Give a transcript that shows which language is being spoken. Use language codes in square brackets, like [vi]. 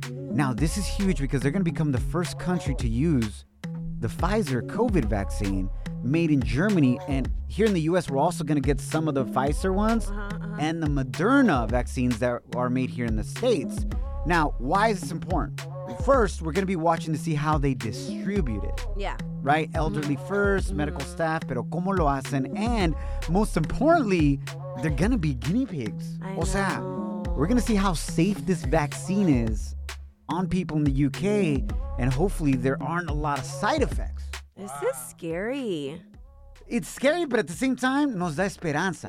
[en] Now, this is huge because they're going to become the first country to use the Pfizer COVID vaccine made in Germany, and here in the U.S., we're also going to get some of the Pfizer ones and the Moderna vaccines that are made here in the States. Now, why is this important? First, we're going to be watching to see how they distribute it. Yeah. Right? Elderly first, medical staff, [es] pero ¿cómo lo hacen? [en] And most importantly, they're going to be guinea pigs. I [es] o sea, [en] know. We're going to see how safe this vaccine is on people in the U.K., and hopefully there aren't a lot of side effects. This is scary. It's scary, but at the same time, [es] nos da esperanza.